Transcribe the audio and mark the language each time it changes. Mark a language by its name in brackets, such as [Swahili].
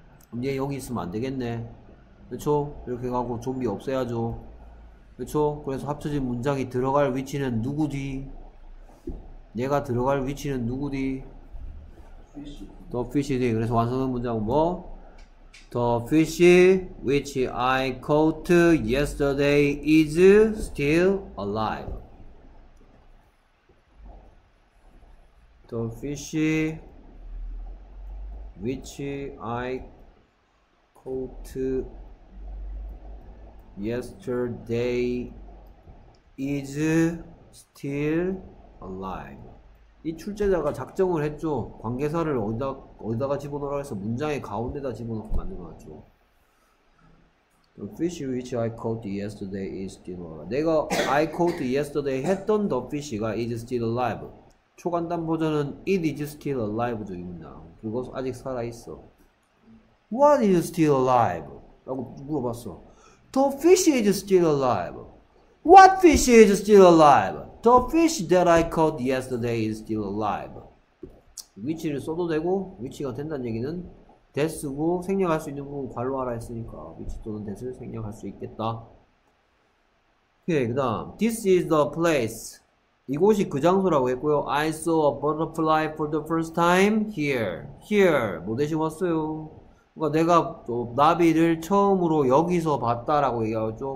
[Korean] 그럼 얘 여기 있으면 안 되겠네. 그렇죠? 이렇게 가고 좀비 없애야죠. 그렇죠? 그래서 합쳐진 문장이 들어갈 위치는 누구 뒤? 내가 들어갈 위치는 누구 뒤? 더 피쉬 뒤. 그래서 완성된 문장은 뭐? [English] 더 피쉬 which I caught yesterday is still alive. 더 피쉬 which I caught yesterday is still alive. [Korean] 이 출제자가 작정을 했죠. 관계사를 어디다가 집어넣으라고 해서 문장의 가운데다 집어넣고 만든 거 같죠. [English] The fish which I caught yesterday is still alive. [Korean] 내가 [English] I caught yesterday [Korean] 했던 [English] the fish가 is still alive. [Korean] 초간단 버전은 [English] it is still alive [Korean] 죠, 이 문장. 그것 아직 살아있어. [English] What is still alive? [Korean] 라고 물어봤어. [English] The fish is still alive. What fish is still alive? The fish that I caught yesterday is still alive. [Korean] 위치를 써도 되고, 위치가 된다는 얘기는 됐고 생략할 수 있는 부분 괄호하라 했으니까 위치 또는 됐을 생략할 수 있겠다. 오케이, 그다음 [English] this is the place. [Korean] 이곳이 그 장소라고 했고요. [English] I saw a butterfly for the first time here. [Korean] Here 뭐 대신 왔어요? 그러니까 내가 또 나비를 처음으로 여기서 봤다라고 얘기하죠.